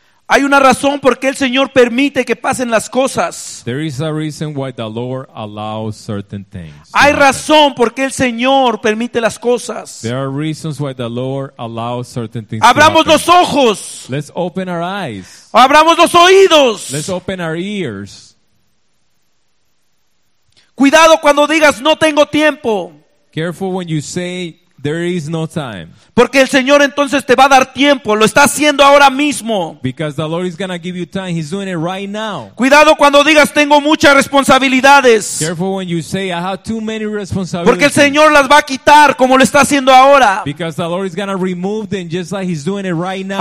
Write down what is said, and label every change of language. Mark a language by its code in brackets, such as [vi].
[es] Hay una razón por qué el Señor permite que pasen las cosas. [en] There is a reason why the Lord allows certain things. [es] Hay razón por qué el Señor permite las cosas. [en] There are reasons why the Lord allows certain things. [es] Abramos los ojos. [en] Let's open our eyes. [es] Abramos los oídos. [en] Let's open our ears. [es] Cuidado cuando digas no tengo tiempo. [en] Careful when you say there is no time. [es] Porque el Señor entonces te va a dar tiempo. Lo está haciendo ahora mismo. [en] Because the Lord is going to give you time. He's doing it right now. [es] Cuidado cuando digas tengo muchas responsabilidades. [en] Careful when you say I have too many responsibilities. [es] Porque el Señor las va a quitar como lo está haciendo ahora. [en] Because the Lord is going to remove them just like he's doing it right now.